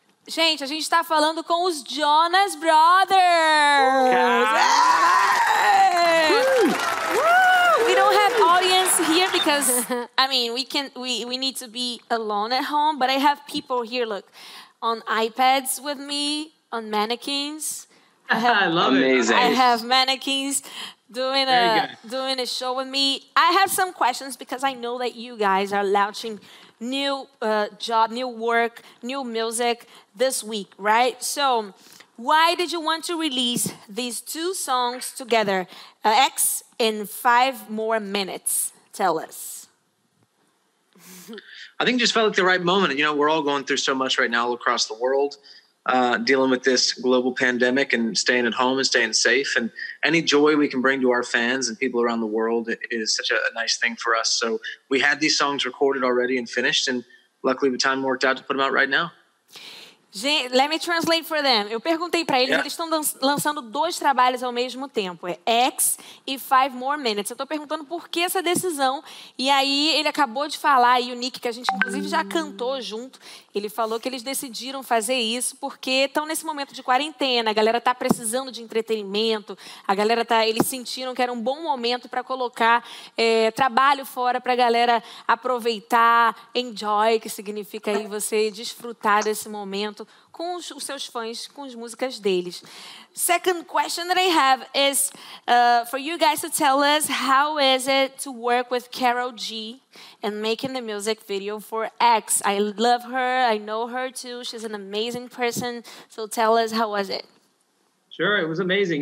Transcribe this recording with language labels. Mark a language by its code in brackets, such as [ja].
[pt] Gente, a gente está falando com os Jonas Brothers. [en] We don't have audience here because, I mean, we need to be alone at home. But I have people here, look, on iPads with me, on mannequins. I love it. I have mannequins doing a show with me. I have some questions because I know that you guys are launching new job, new work, new music this week, right? So, why did you want to release these 2 songs together, X, in 5 more minutes? Tell us. I think it just felt like the right moment. You know, we're all going through so much right now all across the world, dealing with this global pandemic and staying at home and staying safe. And any joy we can bring to our fans and people around the world is such a nice thing for us. So we had these songs recorded already and finished, and luckily the time worked out to put them out right now. [pt] Gente, [en] let me translate for them. [pt] Eu perguntei para eles, eles estão lançando 2 trabalhos ao mesmo tempo. É X e 5 More Minutes. Eu estou perguntando por que essa decisão. E aí ele acabou de falar, e o Nick, que a gente inclusive já cantou junto, ele falou que eles decidiram fazer isso porque estão nesse momento de quarentena, a galera está precisando de entretenimento, a galera tá, eles sentiram que era um bom momento para colocar trabalho fora para a galera aproveitar, enjoy, que significa aí você desfrutar desse momento com os seus fãs, com as músicas deles. [en] Second question that I have is for you guys to tell us, how is it to work with Karol G and making the music video for X? I love her. I know her too. She's an amazing person. So tell us, how was it? Sure, it was amazing.